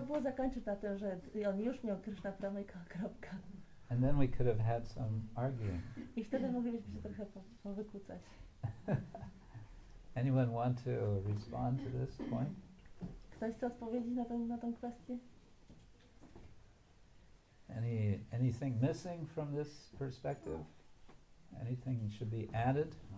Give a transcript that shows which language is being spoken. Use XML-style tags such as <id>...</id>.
<pl>było zakończyć na tym, że on już miał Krishna Prema i kropka.</pl> <en>And then we could have had some arguing.</en> <pl>I wtedy moglibyśmy się trochę wykłócać.</pl> <en>Anyone want to respond to this point?</en> <pl>Ktoś chce odpowiedzieć na tą kwestię?</pl> <en>Anything missing from this perspective? Anything should be added?</en>